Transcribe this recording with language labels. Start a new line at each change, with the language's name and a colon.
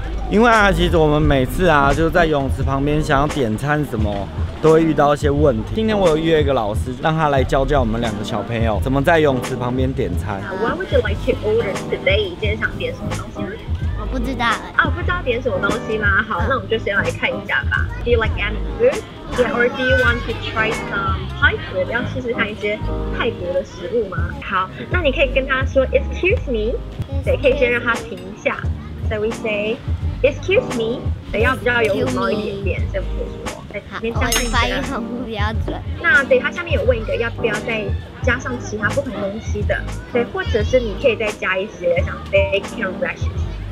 Chinese: 因为啊，其实我们每次啊，就在泳池旁边想要点餐什么，都会遇到一些问题。今天我有约一个老师，让他来教教我们两个小朋友怎么在泳池旁边点餐。
English: Why would you like to order today？
Chinese: 今天想点什么东西吗？我不知道。哦，不知道点什么东西吗？好，那我们就先来看一下吧。
English: Do you like any food？ Yeah， or do you want to try some Thai food？
Chinese: 要试试看一些泰国的食物吗？好，那你可以跟他说
English: Excuse me，
Chinese: 对，可以先让他停一下。
English: So we say。 Excuse me，
Chinese: 等要比较有礼貌一点点，这样子说。好，我发音很不标准。那对，它下面有问一个要不要再加上其他不同东西的，对，或者是你可以再加一些像 bacon rashes。